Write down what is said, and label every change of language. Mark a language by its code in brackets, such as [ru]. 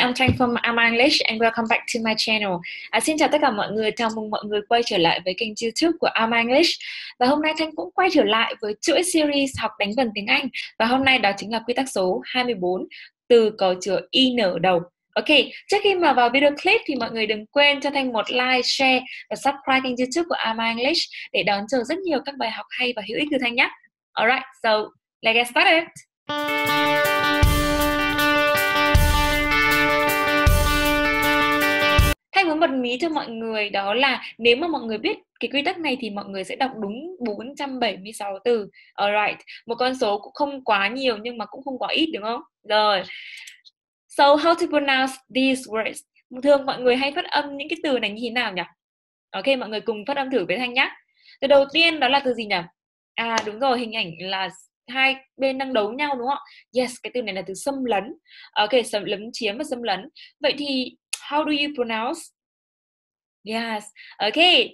[en] I'm Trang from Amang English and welcome back to my channel. [vi] Xin chào tất cả mọi người, chào mừng mọi người quay trở lại với kênh YouTube của Amang English. Và hôm nay Trang cũng quay trở lại với chuỗi series học đánh vần tiếng Anh. Và hôm nay đó chính là quy tắc số 24, từ có chứa IN ở đầu. Ok, trước khi mà vào video clip thì mọi người đừng quên cho Thanh một like, share và subscribe kênh YouTube của Ama English để đón chờ rất nhiều các bài học hay và hữu ích từ Thanh nhé. [en] Alright, so let's get started! [vi] Thanh muốn bật mí cho mọi người đó là nếu mà mọi người biết cái quy tắc này thì mọi người sẽ đọc đúng 476 từ. Alright, một con số cũng không quá nhiều nhưng mà cũng không quá ít đúng không? Rồi, [en] so how to pronounce these words? [vi] Thường mọi người hay phát âm những cái từ này như thế nào nhỉ? Ok, mọi người cùng phát âm thử với Thanh nhé. Từ đầu tiên đó là từ gì nhỉ? À đúng rồi, hình ảnh là hai bên đang đấu nhau đúng không? Yes, cái từ này là từ xâm lấn. Ok, xâm lấn chiếm và xâm lấn. Vậy thì [en] how do you pronounce? Yes, ok.